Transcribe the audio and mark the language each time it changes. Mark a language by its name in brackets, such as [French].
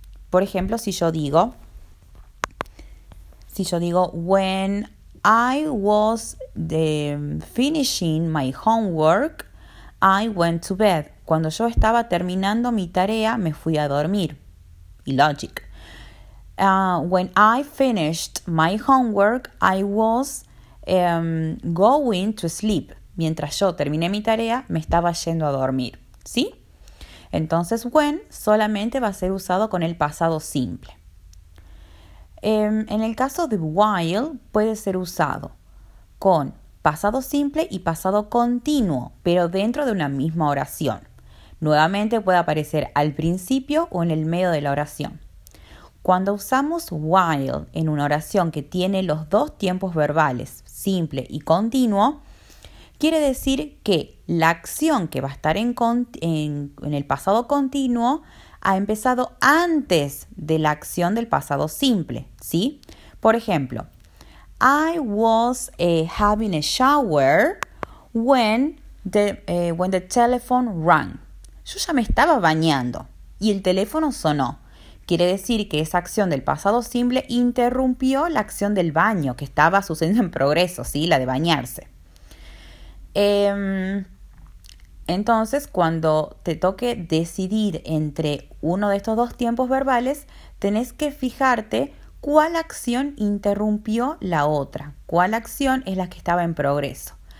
[Spanish] Por ejemplo, si yo digo [English] when I was finishing my homework, I went to bed. [Spanish] Cuando yo estaba terminando mi tarea, me fui a dormir. [English] Illogic. When I finished my homework, I was going to sleep. [Spanish] Mientras yo terminé mi tarea, me estaba yendo a dormir. ¿Sí? Entonces, when solamente va a ser usado con el pasado simple. En el caso de while, puede ser usado con pasado simple y pasado continuo, pero dentro de una misma oración. Nuevamente puede aparecer al principio o en el medio de la oración. Cuando usamos while en una oración que tiene los dos tiempos verbales, simple y continuo, quiere decir que la acción que va a estar en el pasado continuo ha empezado antes de la acción del pasado simple, ¿sí? Por ejemplo, [English] I was having a shower when the telephone rang. [Spanish] Yo ya me estaba bañando y el teléfono sonó. Quiere decir que esa acción del pasado simple interrumpió la acción del baño que estaba sucediendo en progreso, ¿sí? La de bañarse. Entonces, cuando te toque decidir entre uno de estos dos tiempos verbales, tenés que fijarte cuál acción interrumpió la otra, cuál acción es la que estaba en progreso.